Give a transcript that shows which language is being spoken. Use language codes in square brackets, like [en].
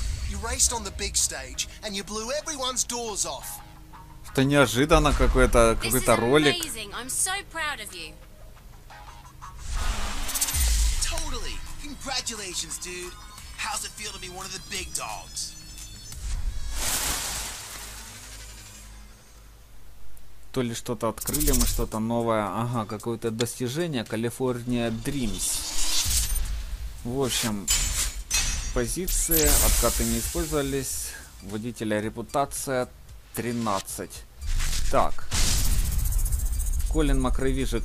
[en] You raced on the big stage and you blew everyone's doors off. [ru] Это неожиданно какой-то ролик. [en] I'm so proud of you. Totally. Congratulations, dude. How's it feel to be one of the big dogs? [ru] То ли что-то открыли мы, что-то новое. Ага, какое-то достижение. [en] California Dreams. [ru] В общем, позиции, откаты не использовались. Водителя репутация 13. Так. Colin McRavish.